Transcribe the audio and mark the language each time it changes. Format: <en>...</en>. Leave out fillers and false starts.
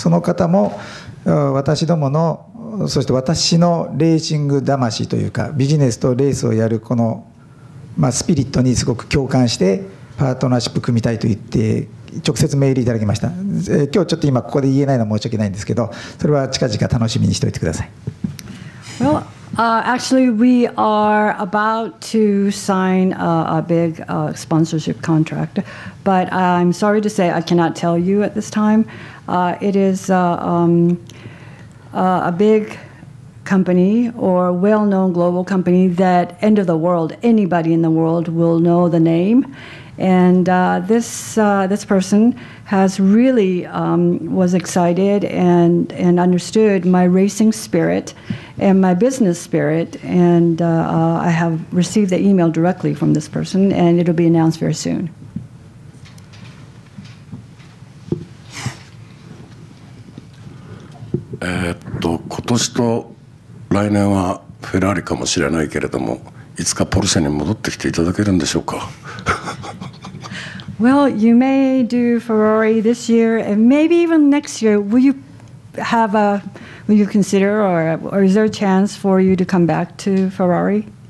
<ja>その方も私どもの、そして私のレーシング魂というか、ビジネスとレースをやるこの、まあ、スピリットにすごく共感してパートナーシップ組みたいと言って直接メールいただきました。今日ちょっと今ここで言えないのは申し訳ないんですけど、それは近々楽しみにしておいてください。</ja> <en>Well, actually we are about to sign a big sponsorship contract, but I'm sorry to say I cannot tell you at this time. It is a big company or well-known global company that end of the world, anybody in the world will know the name. And this person has really was excited and understood my racing spirit and my business spirit. And I have received the email directly from this person, and it'll be announced very soon.</en> <ja>今年と来年はフェラーリかもしれないけれども、いつかポルシェに戻ってきていただけるんでしょうか。</ja> <en>Well, you may do Ferrari this year and maybe even next year. Will you have a, will you consider or is there a chance for you to come back to Ferrari?</en>